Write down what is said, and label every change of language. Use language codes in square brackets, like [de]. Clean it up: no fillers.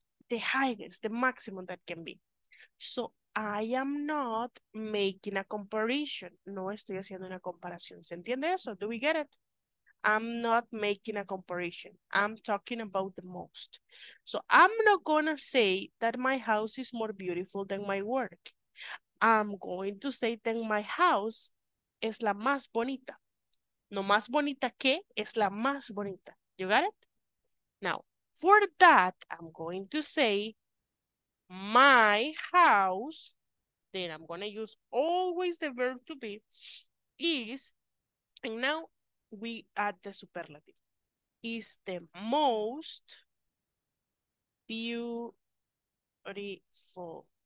[en] The highest, the maximum that can be. So, I am not making a comparison. [es] No estoy haciendo una comparación. ¿Se entiende eso? [en] Do we get it? I'm not making a comparison. I'm talking about the most. So, I'm not gonna say that my house is more beautiful than my work. I'm going to say that my house [es] es la más bonita. No más bonita que, es la más bonita. [en] You got it? Now, for that, I'm going to say my house, then I'm going to use always the verb to be, is, and now we add the superlative, is the most beautiful.